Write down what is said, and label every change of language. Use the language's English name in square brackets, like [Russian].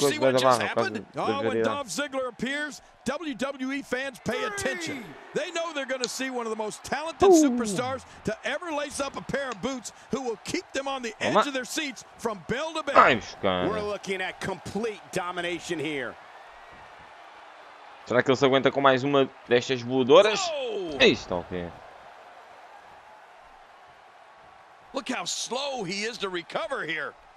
[English] see what just happened? Oh, when Dolph Ziggler appears, WWE fans pay attention. They know they're going to see one of the most talented superstars to ever lace up a pair of boots who will keep them on the edge of their seats from bell to bell. We're looking at complete domination here. [Portuguese] Será que ele se aguenta com mais uma destas voadoras? É isto, ok. [English] Look how slow he is to recover here.